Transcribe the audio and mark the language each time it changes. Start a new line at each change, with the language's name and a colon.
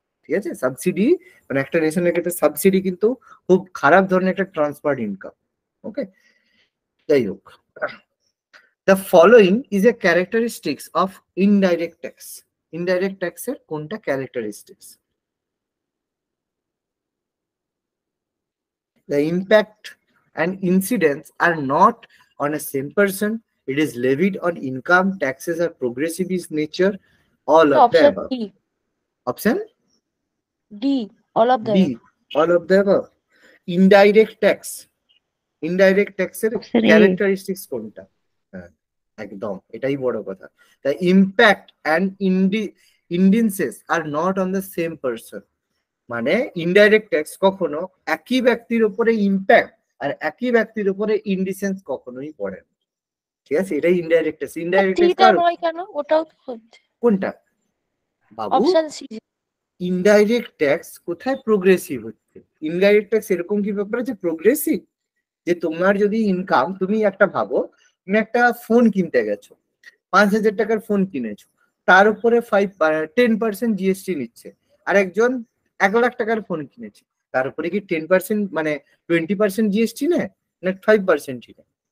Bangla: ঠিক আছে, সাবসিডি মানে একটা নেশনের ক্ষেত্রে সাবসিডি কিন্তু খুব খারাপ ধরনের একটা ট্রান্সফার ইনকাম।
English: Okay, যাই হোক, the following is a characteristics of indirect tax.
Bangla: Indirect ট্যাক্সের কোনটা characteristics?
English: The impact and incidence are not on a same person. It is levied on income. Taxes are progressive in nature. All of the above. Option D. All of the above. All of the above. Indirect tax. Indirect tax
Bangla: er characteristics konta? Ekdom. Etai boro kotha.
English: The impact and incidences are not on the same person.
Bangla: মানে indirect tax কখনো একই ব্যক্তির উপরে impact আর একই ব্যক্তির উপরে ইনডিসেন্স কখনোই পড়ে না, ঠিক আছে? এটাই ইনডাইরেক্ট ট্যাক্স। ইনডাইরেক্ট ট্যাক্স নয় কেন, ওটাও হচ্ছে কোনটা বাবু? Option C. ইনডাইরেক্ট ট্যাক্স কোথায় প্রোগ্রেসিভ হচ্ছে? ইনডাইরেক্ট ট্যাক্স এরকম কি ব্যাপার আছে প্রোগ্রেসিভ, যে তোমার যদি ইনকাম, তুমি একটা ভাবো, তুমি একটা ফোন কিনতে গেছো, 5,000 টাকার ফোন কিনেছো, তার উপরে 10% জিএসটি নিচ্ছে, আর একজন 1,00,000 টাকার ফোন কিনেছে, তার উপরে কি 10% মানে 20% জিএসটি নেয় না 5% নেয়?